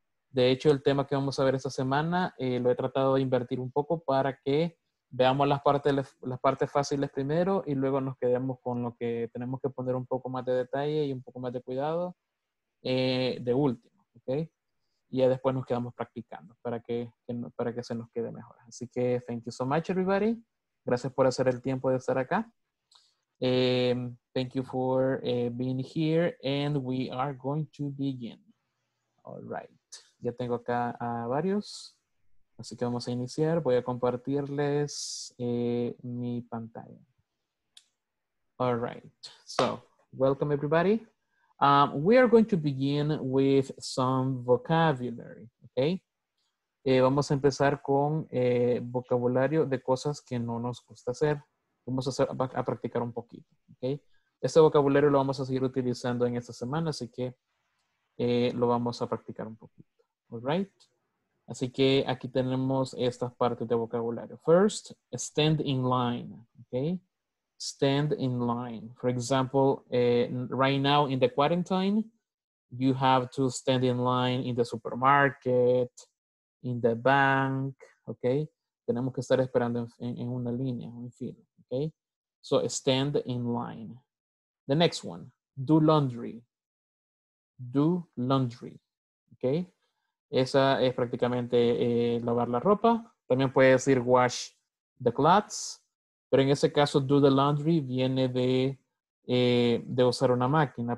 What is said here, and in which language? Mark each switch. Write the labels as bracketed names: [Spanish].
[Spanish] De hecho, el tema que vamos a ver esta semana lo he tratado de invertir un poco para que veamos las partes fáciles primero y luego nos quedemos con lo que tenemos que poner un poco más de detalle y un poco más de cuidado de último, ¿ok? Y ya después nos quedamos practicando para que se nos quede mejor. Así que, [English] thank you so much, everybody. [Spanish] Gracias por hacer el tiempo de estar acá. [English] Thank you for being here and we are going to begin. All right. [Spanish] Ya tengo acá a varios. Así que vamos a iniciar. Voy a compartirles mi pantalla. [English] All right. So, welcome everybody. We are going to begin with some vocabulary. Okay. [Spanish] Vamos a empezar con vocabulario de cosas que no nos gusta hacer. Vamos a, practicar un poquito. ¿Okay? Este vocabulario lo vamos a seguir utilizando en esta semana, así que lo vamos a practicar un poquito. [English] All right? [Spanish] Así que aquí tenemos estas partes de vocabulario. [English] First, stand in line. ¿Okay? Stand in line. For example, right now in the quarantine, you have to stand in line in the supermarket, in the bank, okay? [Spanish] Tenemos que estar esperando en una línea, en fila, okay? [English] So, stand in line. The next one, do laundry. Do laundry, okay? [Spanish] Esa es prácticamente lavar la ropa. También puede decir [English] wash the clothes. [Spanish] Pero en ese caso, [English] do the laundry [Spanish] viene de usar una máquina.